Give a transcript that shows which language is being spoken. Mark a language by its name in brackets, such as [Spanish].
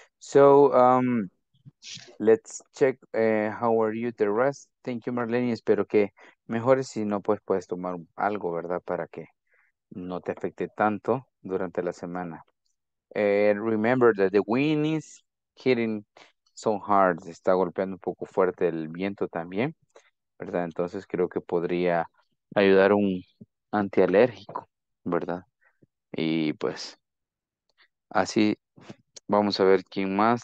[English] So, let's check how are you the rest. Thank you, [Spanish] Marlene. Espero que mejores. Si no, pues puedes tomar algo, ¿verdad? Para que no te afecte tanto durante la semana. [English] And remember that the wind is hitting so hard. [Spanish] Está golpeando un poco fuerte el viento también, ¿verdad? Entonces creo que podría ayudar un antialérgico, ¿verdad? Y pues así vamos a ver quién más.